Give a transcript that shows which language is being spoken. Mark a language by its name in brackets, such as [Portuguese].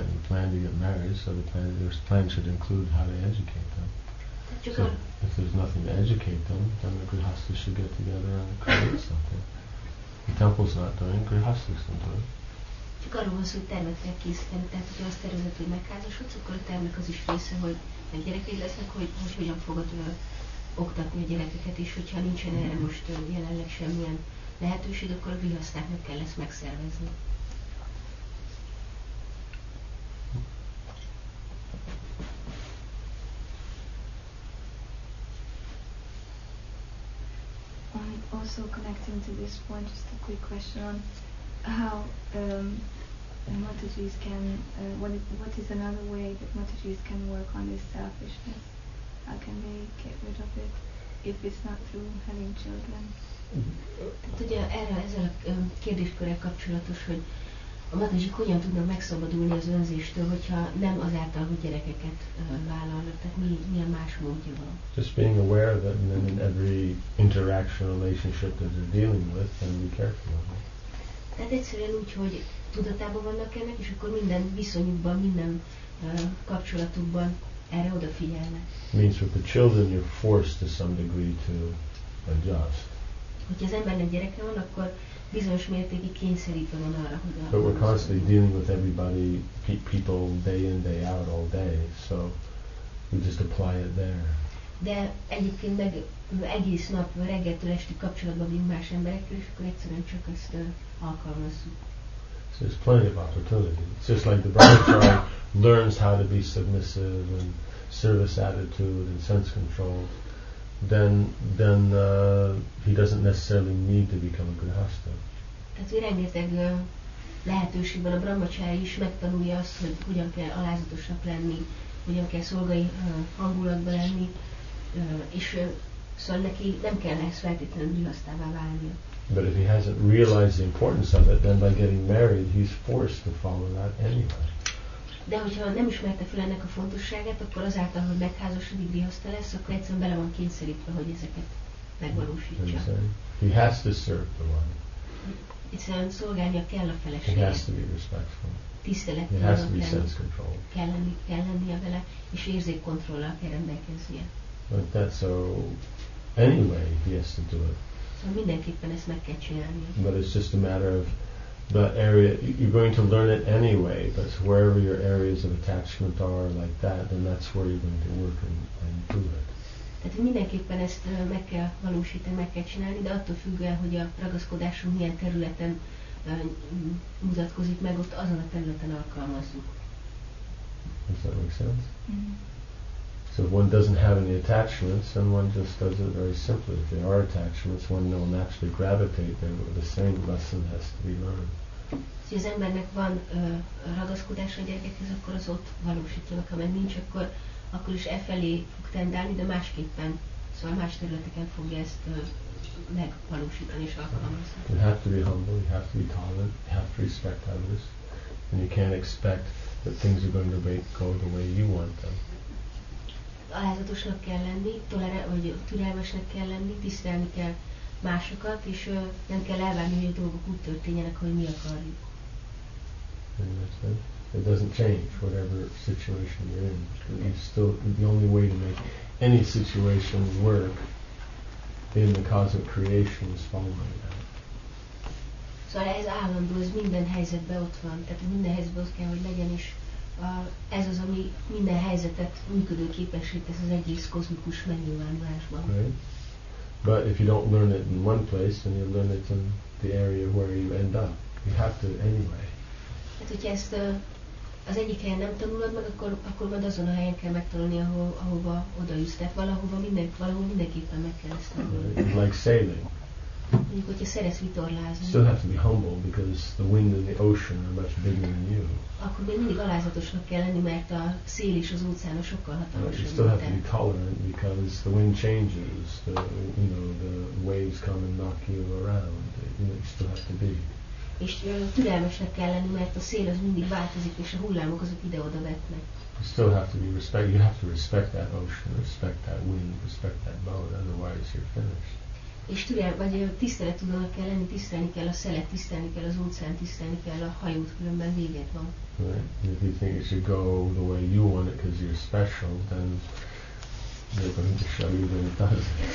[English] You plan to get married, so the plan, there's plan should include how to educate them. So if there's nothing to educate them, then the grihasthas should get together and create something. The temple's not doing, grihasthas can do it. [Hungarian] Csak arról van szó, hogy termet kell készíteni, tehát hogyha azt tervezed, hogy megházasodsz, akkor a termek az is része, hogy a gyerekeid lesznek, hogy hogyan fogod oktatni a gyerekeket, és hogyha nincsen erre most jelenleg semmilyen lehetőség, akkor a grihasztáknak kell ezt megszervezni. Amit [English] also connecting to this point, just a quick question on how Matajis can, what is another way that Matajis can work on this selfishness? How can they get rid of it if it's not through having children? [Hungarian] Tehát ugye erre, ezzel a kérdéskörrel kapcsolatos, hogy a Matajik hogyan tudna megszabadulni az önzéstől, hogyha nem azáltal, hogy gyerekeket vállalnak, tehát milyen más módja van. [English] Just being aware that in every interaction relationship that they're dealing with, and be careful of it. [Hungarian] Tehát egyszerűen úgy, hogy tudatában vannak ennek, és akkor minden viszonyukban, minden kapcsolatukban erre odafigyelnek. [English] Means with the children you're forced to some degree to adjust. [Hungarian] Hogyha az embernek gyereke van, akkor bizonyos mértékig kényszerítve van arra, hogy a... [English] But we're constantly dealing with everybody, people, day in, day out, all day, so we just apply it there. [Hungarian] De egyébként meg egész nap, reggeltől estig kapcsolatban vagyunk más emberekkel, és akkor egyszerűen csak ezt alkalmazzuk. [English] So there's plenty of opportunity. It's just like the brahmachari learns how to be submissive and service attitude and sense control. Then he doesn't necessarily need to become a grihastha. [Hungarian] Tehát rengeteg lehetőség van, a brahmacsári is megtanulja azt, hogy hogyan kell alázatosabb lenni, hogyan kell szolgai hangulatban lenni, és szóval neki nem kell ezt feltétlenül grihasztává válnia. [English] But if he hasn't realized the importance of it, then by getting married, he's forced to follow that anyway. [Hungarian] De hogyha nem ismerte fel ennek a fontosságát, akkor azáltal, hogy megházasodik, grihaszta lesz, akkor egyszerűen bele van kényszerítve, hogy ezeket megvalósítsa. [English] He has to serve the wife. [Hungarian] Egyszerűen szolgálnia kell a feleségét. [English] He has to be respectful. [Hungarian] Tisztelettel. [English] He has to be sense control. [Hungarian] Kell lennie vele, és érzékkontrollal kell rendelkeznie. [English] But that's so anyway he has to do it. [Hungarian] Szóval mindenképpen ezt meg kell csinálni. [English] But it's just a matter of the area, you're going to learn it anyway, but wherever your areas of attachment are like that, then that's where you're going to work and do it. [Hungarian] Tehát mindenképpen ezt meg kell valósítani, meg kell csinálni, de attól függően, hogy a ragaszkodásom milyen területen mutatkozik meg, ott azon a területen alkalmazzuk. [English] Does that make sense? So if one doesn't have any attachments, then one just does it very simply. If there are attachments, one will naturally gravitate there, but the same lesson has to be learned. [Hungarian] Ha az embernek van ragaszkodás a gyerekekhez, akkor az ott valósítja meg, ha meg nincs, akkor is e felé fog tendálni, de másképpen, szóval más területeken fogja ezt megvalósítani és alkalmazni. [English] You have to be humble, you have to be tolerant, you have to respect others, and you can't expect that things are going to go the way you want them. [Hungarian] Alázatosnak kell lenni, vagy türelmesnek kell lenni, tisztelni kell másokat, és nem kell elvárni, hogy a dolgok úgy történjenek, hogy mi akarjuk. [English] It doesn't change whatever situation you're in. The only way to make any situation work in the cause of creation is following that. [Hungarian] Szóval ez állandó, ez minden helyzetben ott van. Tehát minden helyzetben ott kell, hogy legyen is. Ez az, ami minden helyzetet működőképessé tesz az egész kozmikus megnyilvánulásban. [English] Right. But if you don't learn it in one place, then you learn it in the area where you end up. You have to anyway. [Hungarian] Hát, hogyha ezt az egyik helyen nem tanulod meg, akkor majd azon a helyen kell megtanulni, ahova oda jussz. Tehát valahol mindenképpen meg kell ezt tanulni. [English] Right. Like sailing. [Hungarian] Mondjuk, hogyha szeretsz vitorlázni. [English] Still have to be humble, because the wind and the ocean are much bigger than you. [Hungarian] Akkor még mindig alázatosnak kell lenni, mert a szél és az óceán sokkal hatalmasabb. [English] You still have to be tolerant, because the wind changes, the waves come and knock you around. You still have to be. [Hungarian] És türelmesnek kell lenni, mert a szél az mindig változik, és a hullámok azok ide-oda vetnek. [English] You still have to be respect. You have to respect that ocean, respect that wind, respect that boat, otherwise you're finished. [Hungarian] És tisztelettudónak kell lenni, tisztelni kell a szelet, tisztelni kell az óceán, tisztelni kell a hajót, különben véget van. [English] Right. If you think you should go the way you want it because you're special, then they're going to show you that it doesn't.